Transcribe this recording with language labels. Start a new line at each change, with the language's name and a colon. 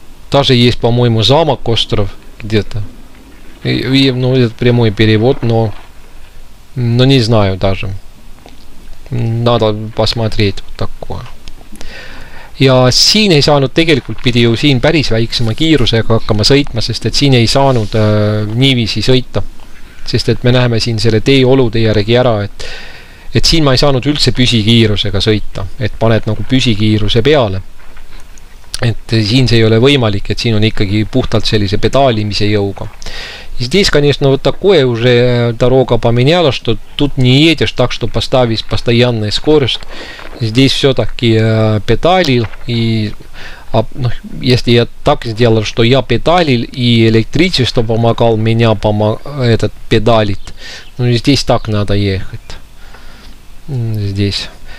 Russian: Даже есть, по-моему, замок остров где-то. Ну, это прямой перевод, но не знаю даже. Надо посмотреть вот такое.
Estonian: Ja siin ei saanud tegelikult, pidi ju siin päris väiksema kiirusega hakkama sõitma, sest et siin ei saanud niiviisi sõita, sest et me näeme siin selle teeolude järgi ära, et siin ma ei saanud üldse püsikiirusega sõita, et paned nagu püsikiiruse peale, et siin see ei ole võimalik, et siin on ikkagi puhtalt sellise pedaalimise jõuga.
Russian: Здесь, конечно, вот такое уже дорога поменяла, что тут не едешь так, что поставить постоянную скорость. Здесь все-таки педалил, ну, если я так сделал, что я педалил и электричество помогал меня этот педалить, ну здесь так надо ехать. Здесь.